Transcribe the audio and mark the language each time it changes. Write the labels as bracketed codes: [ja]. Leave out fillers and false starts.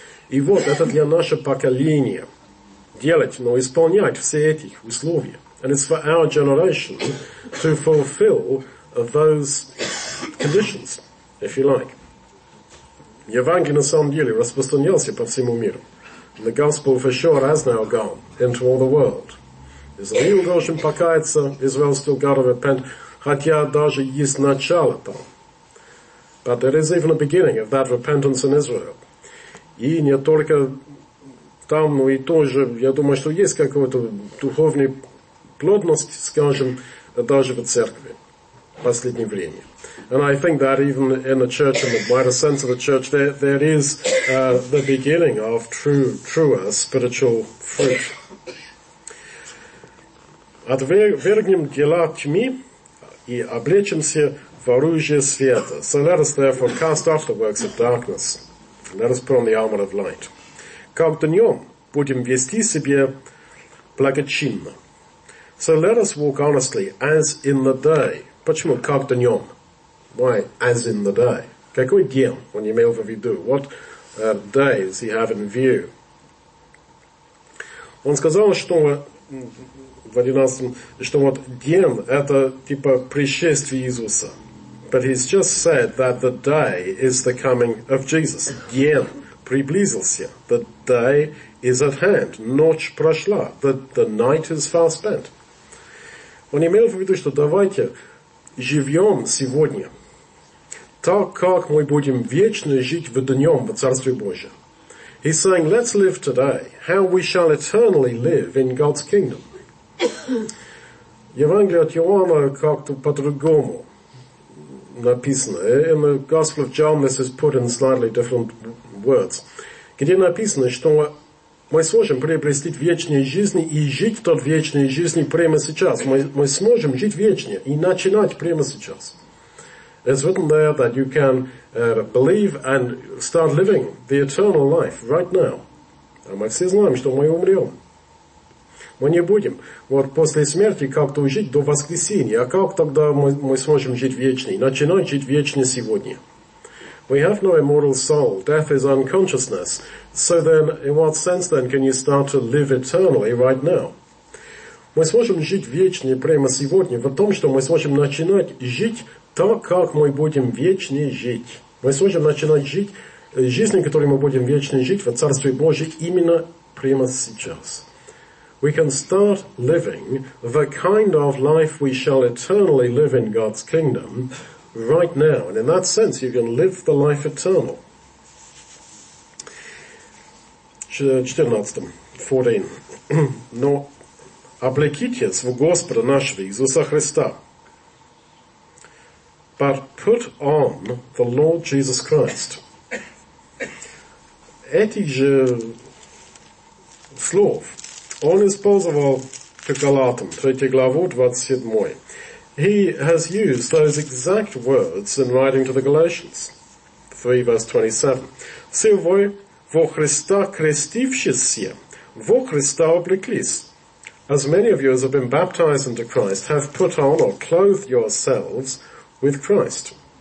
[ru] И вот это для нашего поколения делать, но исполнять все эти условия. [en] And it's for our generation to fulfill those conditions, if you like. [ru] Евангелие на самом деле распространялся по всему миру. [en] And the gospel for sure has now gone into all the world. [ru] Израил должен покаяться, [en] Israel still got to repent, [ru] хотя даже есть начало там. [en] But there is even a beginning of that repentance in Israel. [ru] И не только там, но и тоже, я думаю, что есть какой-то духовный плотность, скажем, даже в церкви в последнее время. [en] And I think that even in the church, in the wider sense of the church, there is the beginning of truer spiritual fruit. [ru] Отвергнем дела тьмы и облечемся в оружие света. [en] So let us therefore cast off the works of darkness. Let us put on the armor of light. [ru] Как днем будем вести себя благочинно. [en] So let us walk honestly as in the day. [ru] Почему как днем? [en] Why as in the day? [ru] Какой день он имел в виду? [en] What day does he have in view? [ru] Он сказал, что в 11-м, что вот день это типа пришествие Иисуса. [en] But he's just said that the day is the coming of Jesus. [ru] День приблизился. [en] The day is at hand. [ru] Ночь прошла. [en] The night is far spent. [ru] Он имел в виду, что давайте живем сегодня так, как мы будем вечно жить в днем в Царстве Божьем. [en] He's saying, let's live today, how we shall eternally live in God's kingdom. [ru] Евангелие от Иоанна как-то по-другому написано. [en] In the Gospel of John, this is put in slightly different words. [ru] Где написано, что мы сможем приобрести вечную жизнь и жить в тот вечной жизни прямо сейчас. Мы сможем жить вечно и начинать прямо сейчас. [en] It's written there that you can believe and start living the eternal life right now. [ru] А мы все знаем, что мы умрем. Мы не будем вот после смерти как-то жить до воскресения. А как тогда мы сможем жить вечно и начинать жить вечно сегодня? [en] We have no immortal soul. Death is unconsciousness. So then, in what sense then can you start to live eternally right now? [ru] Мы сможем жить вечно прямо сегодня в том, что мы сможем начинать жить так, как мы будем вечно жить. Мы сможем начинать жить жизнью, которой мы будем вечно жить в Царстве Божьем именно прямо сейчас. [en] We can start living the kind of life we shall eternally live in God's kingdom right now. And in that sense, you can live the life eternal. 14. [ru] Но облекитесь в Господа нашего Иисуса Христа. [en] But put on the Lord Jesus Christ. [ru] Эти же слов он использовал к Галатам, 3 главу, 27. [en] He has used those exact words in writing to the Galatians, 3 verse 27. [ru] Все вы во Христа крестившиеся, во Христа облеклись. [en] As many of you as have been baptized into Christ have put on or clothed yourselves with Christ.